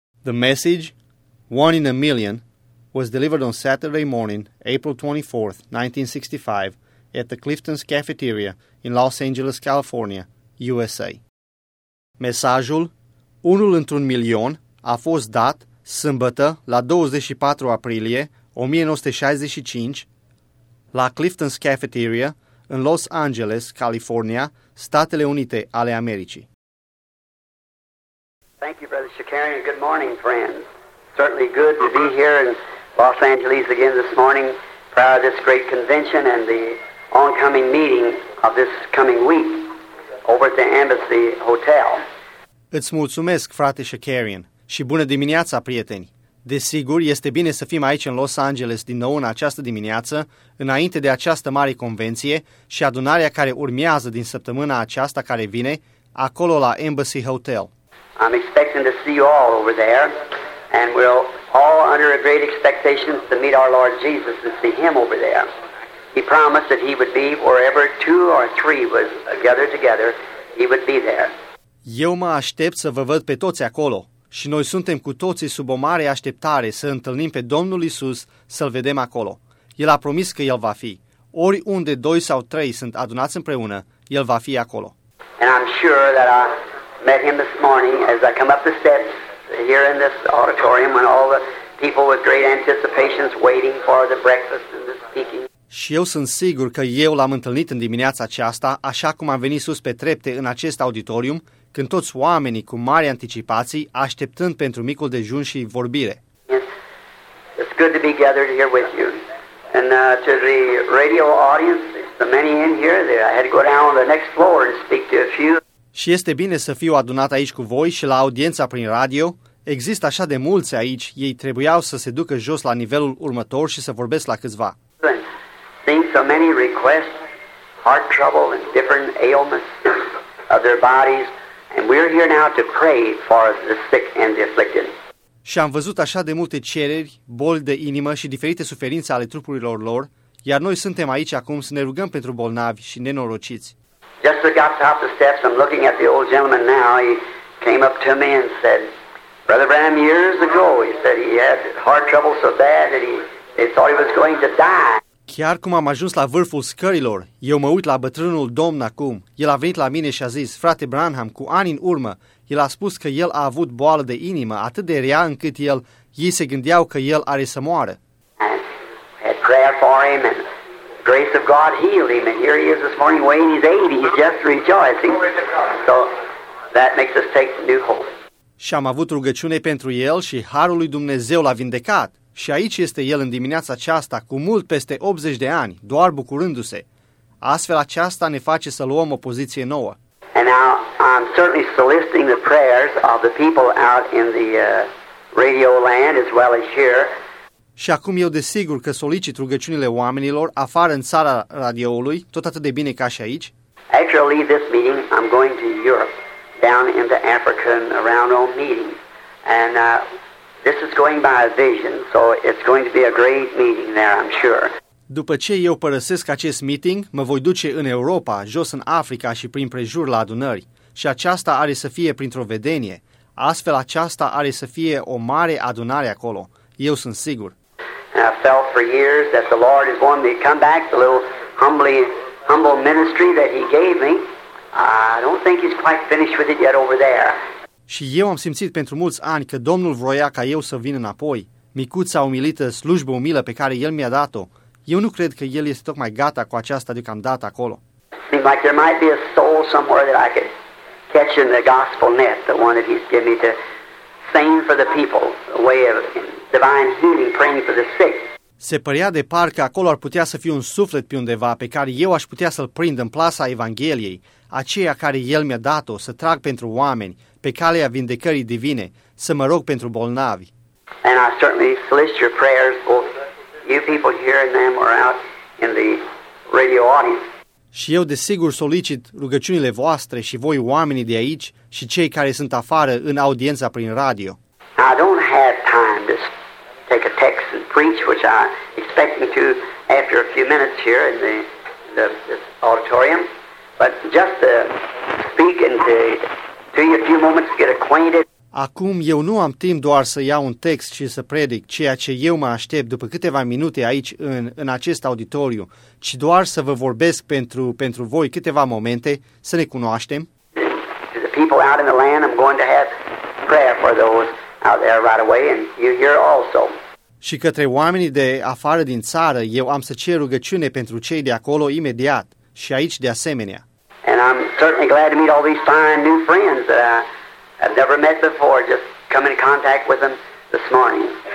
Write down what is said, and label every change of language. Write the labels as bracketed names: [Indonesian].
[English] The message, One in a Million, was delivered on Saturday morning, April 24, 1965, at the Clifton's Cafeteria in Los Angeles, California, USA. [Romanian] Mesajul, Unul într-un milion, a fost dat sâmbătă la 24 aprilie 1965 la Clifton's Cafeteria în Los Angeles, California, Statele Unite ale Americii. [English] Thank you, Brother Shakarian, and good morning, friends. Certainly good to be here in Los Angeles again this morning, proud of this great convention and the oncoming meeting of this coming week over at the Embassy Hotel. [Romanian] Îți mulțumesc, frate Shakarian, și bună dimineața, prieteni! Desigur, este bine să fim aici în Los Angeles din nou în această dimineață, înainte de această mare convenție și adunarea care urmează din săptămâna aceasta care vine, acolo la Embassy Hotel. [English] I'm expecting to see you all over there, and we're all under a great expectation to meet our Lord Jesus and see Him over there. He promised that He would be wherever two or three was gathered together, He would be there. [Romanian] Eu mă aștept să vă văd pe toți acolo, și noi suntem cu toții sub o mare așteptare să întâlnim pe Domnul Iisus, să-L vedem acolo. El a promis că El va fi. Oriunde doi sau trei sunt adunați împreună, El va fi acolo. [English] And I'm sure that I met him this morning as I come up the steps here in this auditorium when all the people with great anticipations waiting for the breakfast and the speaking. [Romanian] Și eu sunt sigur că eu l-am întâlnit în dimineața aceasta, așa cum am venit sus pe trepte în acest auditorium, când toți oamenii cu mari anticipații așteptând pentru micul dejun și vorbire. [English] It's good to be gathered here with you. And to the radio audience, the many in here, there I had to go down to the next floor and speak to a few. [Romanian] Și este bine să fiu adunat aici cu voi și la audiența prin radio. Există așa de mulți aici, ei trebuiau să se ducă jos la nivelul următor și să vorbesc la câțiva. [English] Seeing so many requests, heart trouble and different ailments of their bodies, and we're here now to pray for the sick and the afflicted. [Romanian] Și am văzut așa de multe cereri, boli de inimă și diferite suferințe ale trupurilor lor, iar noi suntem aici acum să ne rugăm pentru bolnavi și nenorociți. [English] Just as I got off the steps, I'm looking at the old gentleman now. He came up to me and said, Brother Branham, years ago, he said he had heart trouble so bad that they thought he was going to die. [Romanian] Chiar cum am ajuns la vârful scărilor, eu mă uit la bătrânul domn acum. El a venit la mine și a zis, Frate Branham, cu ani în urmă, el a spus că el a avut boală de inimă atât de rea încât ei se gândeau că el are să moară. [English] And had prayer for him and grace of God healed him, and here he is this morning weighing his 80, he's just rejoicing. So that makes us take new hope. [Romanian] Și am avut rugăciune pentru el și harul lui Dumnezeu l-a vindecat. Și aici este el în dimineața aceasta cu mult peste 80 de ani, doar bucurându-se. Astfel aceasta ne face să luăm o poziție nouă. [English] And now I'm certainly soliciting the prayers of the people out in the radio land as well as here. [Romanian] Și acum eu desigur că solicit rugăciunile oamenilor afară în țara radioului, tot atât de bine ca și aici. [English] Actually, this meeting, I'm going to Europe, down into Africa and around on meeting. And this is going by a vision, so it's going to be a great meeting there, I'm sure. [Romanian] După ce eu părăsesc acest meeting, mă voi duce în Europa, jos în Africa și prin prejur la adunări. Și aceasta are să fie printr-o vedenie. Astfel, aceasta are să fie o mare adunare acolo. Eu sunt sigur. [English] And I felt for years that the Lord is wanting me to come back, the little humble ministry that He gave me. I don't think He's quite finished with it yet over there. [Romanian] Și eu am simțit pentru mulți ani că Domnul vroia ca eu să vin înapoi. Micuța umilită, slujbă umilă pe care El mi-a dat-o. Eu nu cred că El este tocmai gata cu aceasta deocamdată acolo. [English] Seems like there might be a soul somewhere that I could catch in the gospel net, the one that He's given me to sing for the people, a way of divine healing, praying for the sick. [Romanian] Se părea de parcă acolo ar putea să fie un suflet pe undeva pe care eu aș putea să-l prind în plasa Evangheliei, aceea care El mi-a dat-o să trag pentru oameni, pe calea vindecării divine, să mă rog pentru bolnavi. [English] And I certainly solicit your prayers, both you people here and them are out in the radio audience. [Romanian] Și eu desigur solicit rugăciunile voastre și voi oamenii de aici și cei care sunt afară în audiența prin radio. [English] I don't have time to take a text and preach, which I expect to after a few minutes here in this auditorium, but just to speak and to you a few moments to get acquainted. [Romanian] Acum eu nu am timp doar să iau un text și să predic ceea ce eu mă aștept după câteva minute aici în acest auditoriu, ci doar să vă vorbesc pentru voi câteva momente, să ne cunoaștem. [English] To the people out in the land, I'm going to have prayer for those out there right away, and you here also. [Romanian] Și către oamenii de afară din țară, eu am să cer rugăciune pentru cei de acolo imediat și aici de asemenea. [English] And I'm certainly glad to meet all these fine new friends that I've never met before, just come in contact with them this morning.